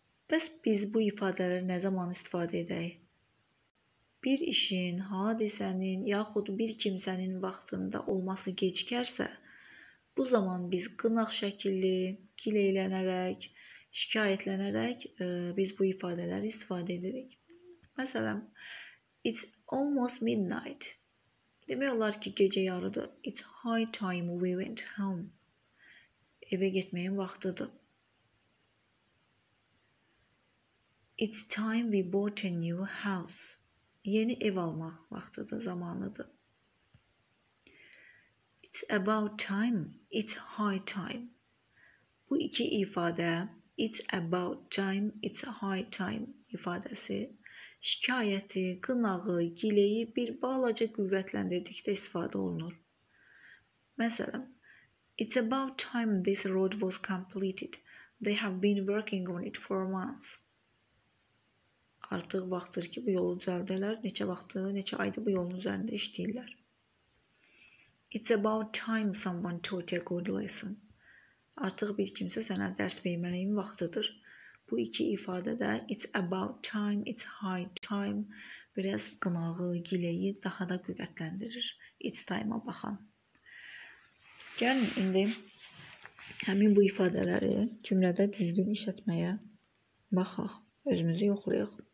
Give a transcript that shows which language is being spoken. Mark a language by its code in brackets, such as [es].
[az] Bəs biz bu ifadələri nə zaman istifadə edək? Bir işin, hadisənin, yaxud bir kimsənin vaxtında olması gecikərsə, bu zaman biz qınaq şəkilli, kiləylənərək, şikayətlənərək biz bu ifadələri istifadə edirik. Məsələn, [en] it's almost midnight. [az] Demək olar ki, gecə yarıdır. [en] It's high time we went home. [az] Evə getməyin vaxtıdır. [en] It's time we bought a new house. [az] Yeni ev almaq vaxtıdır, zamanıdır. [en] It's about time, it's high time. [az] Bu iki ifadə, [en] it's about time, it's high time [az] ifadəsi, şikayəti, qınağı, giləyi bir balaca qüvvətləndirdikdə istifadə olunur. Məsələn, [en] it's about time this road was completed. They have been working on it for months. [az] Artıq vaxtdır ki, bu yolu düzəldirlər. Neçə vaxtdır, neçə aydır bu yolun üzərində işləyirlər. [en] It's about time someone taught you a good lesson. [az] Artıq bir kimsə sənə dərs verməyin vaxtıdır. Bu iki ifadədə [en] it's about time, it's high time [az] biraz qınağı, giləyi daha da qüvvətləndirir. [en] It's time- [az] a baxan. Gəlin indi həmin bu ifadələri cümlədə düzgün işlətməyə baxaq. Özümüzü yoxlayıq.